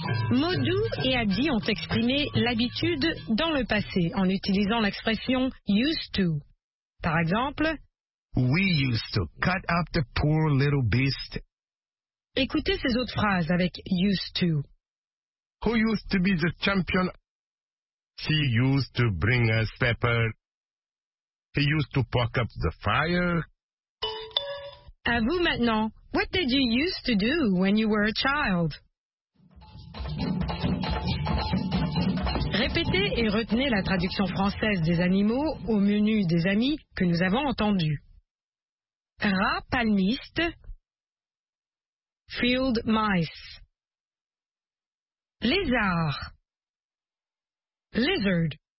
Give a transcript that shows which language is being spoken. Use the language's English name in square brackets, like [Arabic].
[French] Modou et Adi ont exprimé l'habitude dans le passé en utilisant l'expression « used to ». Par exemple, [English] « We used to cut up the poor little beast ». [French] Écoutez ces autres phrases avec « used to ». [English] Who used to be the champion? She used to bring us pepper. He used to poke up the fire. [French] À vous maintenant. [English] What did you used to do when you were a child? [French] Répétez et retenez la traduction française des animaux au menu des amis que nous avons entendu. Rat palmiste. [English] Field mice. [French] Lézard. Lizard.